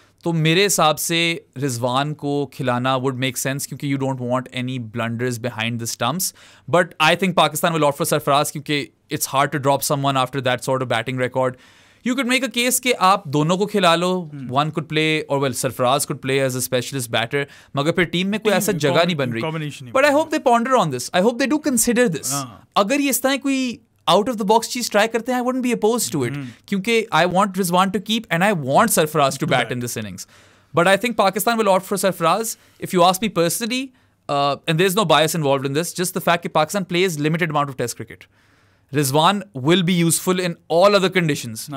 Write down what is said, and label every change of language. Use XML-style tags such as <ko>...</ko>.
<ur>तो मेरे हिसाब से रिजवान को खिलाना</ur> <en>would make sense, क्योंकि you don't want any blunders behind the stumps. But I think Pakistan will offer Sarfaraz, क्योंकि it's hard to drop someone after that sort of batting record. You could make a case</en> <ur>कि आप दोनों को खिला लो,</ur> <en>one could play, or well, Sarfaraz could play as a specialist batter.</en> <ur>मगर फिर team में कोई ऐसा जगह नहीं बन रही.</ur> <en>But I hope they ponder on this. I hope they do consider this.</en> <ur>अगर ये इस तरह कोई</ur> <en>out of the box cheese</en> <ur>try karte hain,</ur> <en>I wouldn't be opposed to it, kyunki I want Rizwan to keep and I want Sarfaraz to bat in this innings. But I think Pakistan will opt for Sarfaraz. If you ask me personally, and there's no bias involved in this, just the fact that Pakistan plays limited amount of test cricket, Rizwan will be useful in all other conditions. No.</en>